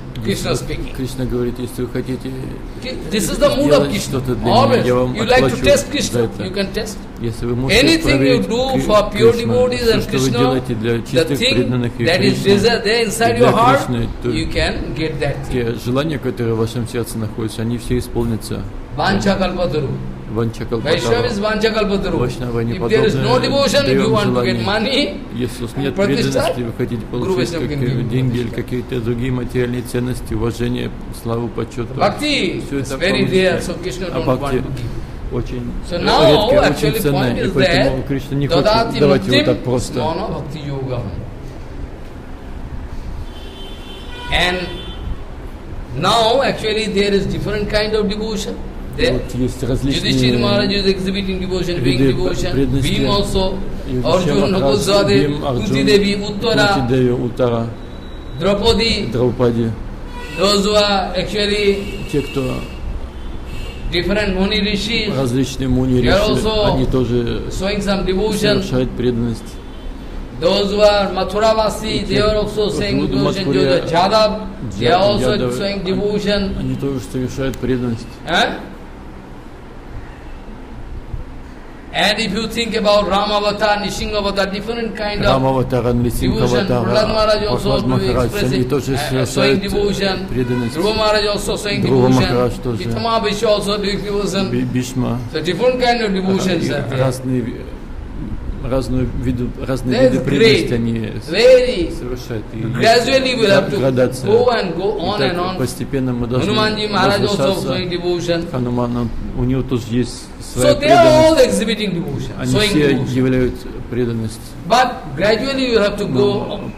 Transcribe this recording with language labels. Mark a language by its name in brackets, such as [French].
[English] Krishna speaking. [Russian] Krishna говорит, если вы хотите. [English] This is the mood of Krishna. Always. You like to test Krishna. You can test. [Russian] Если вы можете. [English] Anything you do for pure devotees and Krishna, the thing that is desire there inside your heart, you can get that thing. [Russian] Те желания, которые в вашем сердце находятся, они все исполнятся. [Sanskrit] Vancha kalpaturu. [English] Vaishnava is vancha kalpaturu. Vaishnava if there is no devotion, if you want to get money, [Russian] если у вас нет преданности, вы хотите получить какие-то деньги или какие-то другие материальные ценности, уважение, славу, почет. [English] Bhakti, it's very rare, so Krishna don't want to give. [Russian] Очень [English] so now, [Russian] редко, очень ценно, и поэтому Кришна не хочет давать его так просто. [English] And now, actually, there is different kind of devotion. Yudhishthira Maharaj is exhibiting devotion, being devotion, Bhim also, Arjuna, Nakulzade, Kunti Devi, Uttara, Draupadi, Draupadi. Those who are actually [Russian] те, кто [English] different Muni Rishis, [Russian] различные Муни Риши, они тоже [English] showing some devotion. [Russian] Совершают преданность. [English] Those who are Mathuravasi, they are also saying devotion. Those who are Jadav, they are also showing devotion. [Russian] Они тоже совершают преданность. [English] And if you think about Ramavatar, Nishingavatar, different kind of devotion, Prahlad Maharaj also expressing showing devotion, Dhruva Maharaj also showing devotion, Hitama Bhishma also doing devotion, Bhishma. So different kind of devotions are there. That's great. Very. Gradually we have to go and go on and on. [Russian] Постепенно мы [English] Hanumanji Maharaj also showing devotion. [Russian] Hanuman, у него тоже есть. [English] So they are all exhibiting devotion. [Russian] Они все являют преданность. [English] But gradually you have to go up and up.